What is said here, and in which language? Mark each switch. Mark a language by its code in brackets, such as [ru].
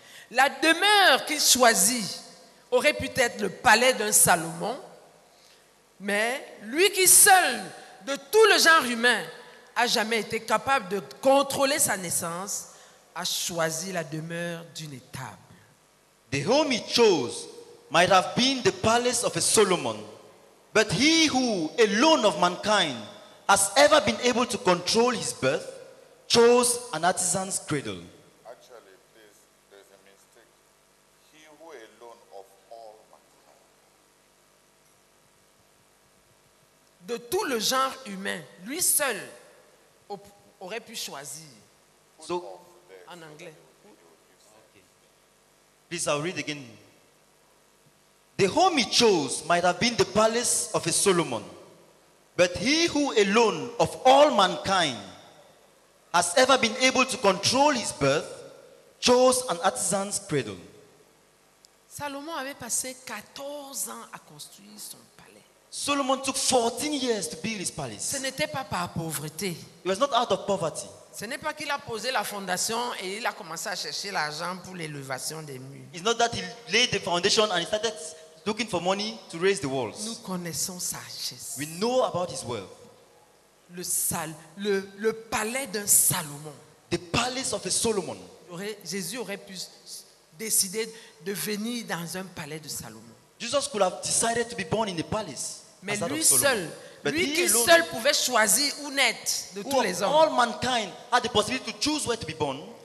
[fr] la demeure qu'il choisit aurait pu être le palais d'un Salomon, mais lui qui seul, de tout le genre humain, a jamais été capable de contrôler sa naissance, a choisi la demeure d'une étable. [en] The home he chose might have been the palace of a Solomon, but he who alone of mankind has ever been able to control his birth, chose an artisan's cradle. Actually, please, there's a mistake. He who alone of all mankind. [fr] De tout le genre humain, lui seul aurait pu choisir. [en] So, [fr] en anglais. [en] Okay. Please, I'll read again. The home he chose might have been the palace of a Solomon, but he who alone of all mankind has ever been able to control his birth, chose an artisan's cradle. [fr] Salomon avait passé 14 ans à construire son palais. [en] Solomon took 14 years to build his palace. [fr] Ce n'était pas par pauvreté. [en] He was not out of poverty. [fr] Ce n'est pas qu'il a posé la fondation et il a commencé à chercher l'argent pour l'élévation des murs. [en] It's not that he laid the foundation and he started looking for money to raise the walls. [fr] Nous connaissons sa richesse. [en] We know about his wealth. [fr] Le palais d'un Salomon. [en] The palace of a Solomon. [fr] Jésus aurait pu décider de venir dans un palais de Salomon. [en] Jesus could have decided to be born in a palace. [fr] Mais lui seul, lui qui seul pouvait choisir où naître de tous les hommes. [en] All mankind had the possibility to choose where to be born.